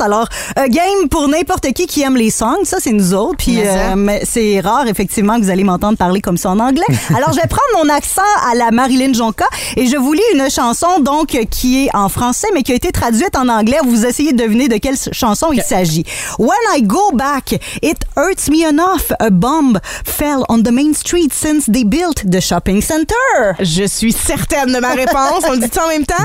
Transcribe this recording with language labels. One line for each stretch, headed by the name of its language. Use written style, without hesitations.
French: Alors, un game pour n'importe qui aime les songs. Ça, c'est nous autres. Puis, c'est rare, effectivement, que vous allez m'entendre parler comme ça en anglais. Alors, je vais prendre mon accent à la Marilyn Jonca et je vous lis une chanson, donc, qui est en français, mais qui a été traduite en anglais. Vous essayez de deviner de quelle chanson il s'agit.
English: When I go back, it hurts me enough. A bomb fell on the main street since they built the shop. Shopping Center.
French: Je suis certaine de ma réponse. On le dit ça en même temps?